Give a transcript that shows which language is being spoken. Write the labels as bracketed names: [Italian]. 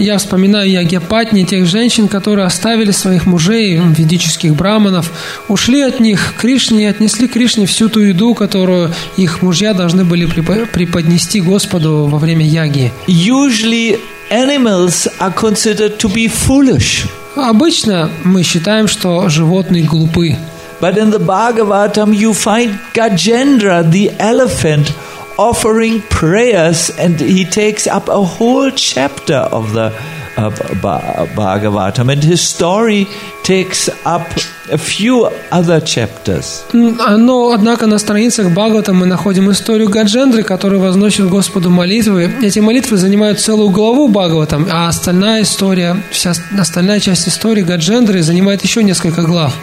[Russian] Я вспоминаю ягьяпатни, тех женщин, которые оставили своих мужей, ведических брахманов, ушли от них к Кришне и отнесли Кришне всю ту еду, которую их мужья должны были преподнести Господу во время яги. [English] Usually animals are considered to be foolish. [Russian] Обычно мы считаем, что животные глупы. [English] But in the Bhagavatam you find Gajendra, the elephant, offering prayers, and he takes up a whole chapter of the Bhagavatam, and his story takes up a few other chapters. [Russian] Но, однако, на страницах Бхагаватам мы находим историю Гаджендры, который возносит Господу молитвы. Эти молитвы занимают целую главу Бхагаватам, а остальная история, вся остальная часть истории Гаджендры занимает еще несколько глав.